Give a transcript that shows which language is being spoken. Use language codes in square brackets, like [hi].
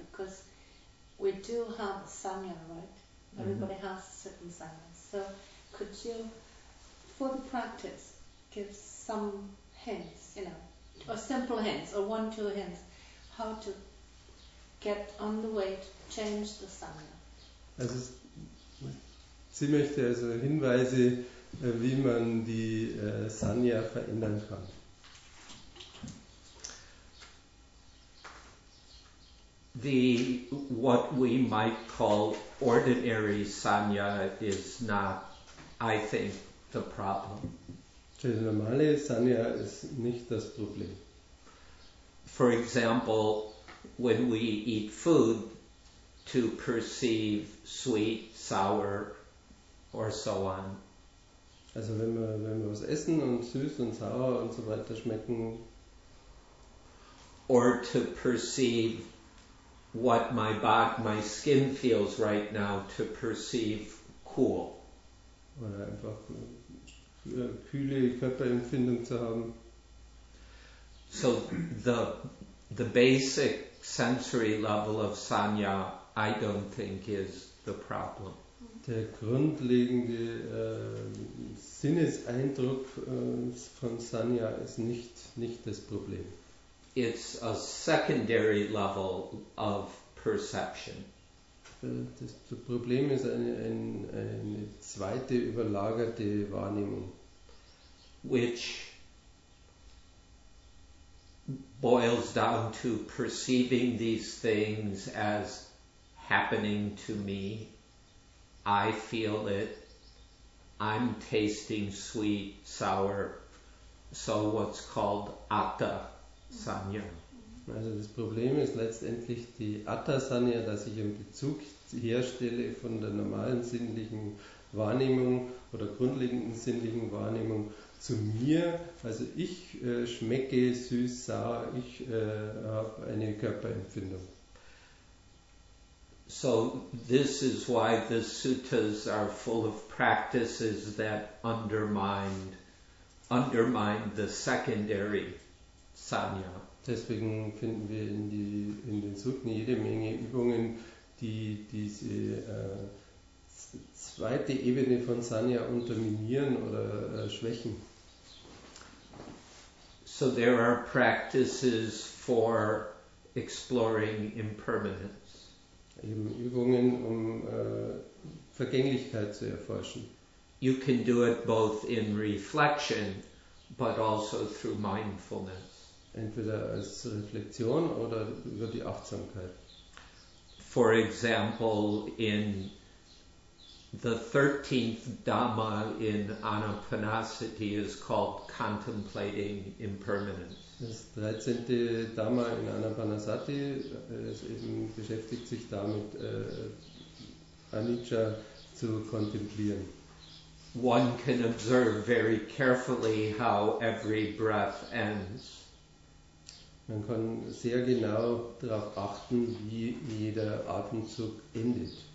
[en] Because we do have sanya, right? Everybody has certain sanya. So could you, for the practice, give some hints, you know, or simple hints, or one, two hints, how to get on the way to change the sanya? [de] Also, sie möchte also Hinweise, wie man die sanya verändern kann. [en] The what we might call ordinary sanya is not, I think, the problem. [de] Die normale sanya ist nicht das Problem. [en] For example, when we eat food, to perceive sweet, sour, or so on. [de] Also wenn wir was essen und süß und sauer und so weiter schmecken. [en] Or to perceive what my body, my skin feels right now, to perceive cool. [de] Oder einfach eine kühle Körperempfindung zu haben. [en] So the basic sensory level of sanya, I don't think, is the problem. [de] der grundlegende Sinneseindruck von Sanya ist nicht das Problem. [en] It's a secondary level of perception. [de] Das Problem ist eine zweite überlagerte Wahrnehmung. [en] Which boils down to perceiving these things as happening to me. I feel it. I'm tasting sweet, sour. So what's called Atta Sanya. [de] Also das Problem ist letztendlich die Atta Sanya, dass ich einen Bezug herstelle von der normalen sinnlichen Wahrnehmung oder grundlegenden sinnlichen Wahrnehmung zu mir. Also ich schmecke süß, sauer, ich habe eine Körperempfindung. [en] So this is why the suttas are full of practices that undermine the secondary sanya. [de] Deswegen finden wir in den Sutten jede Menge Übungen, die diese zweite Ebene von Sanya unterminieren oder schwächen. [en] So there are practices for exploring impermanence. [de] Eben Übungen, um Vergänglichkeit zu erforschen. [en] You can do it both in reflection, but also through mindfulness. [de] Entweder als Reflexion oder über die Achtsamkeit. [en] For example, in the 13th Dhamma in Anapanasati is called contemplating impermanence. [de] Das 13. Dhamma in Anapanasati beschäftigt sich damit, Anicca zu kontemplieren. [en] One can observe very carefully how every breath ends. [de] Man kann sehr genau darauf achten, wie jeder Atemzug endet.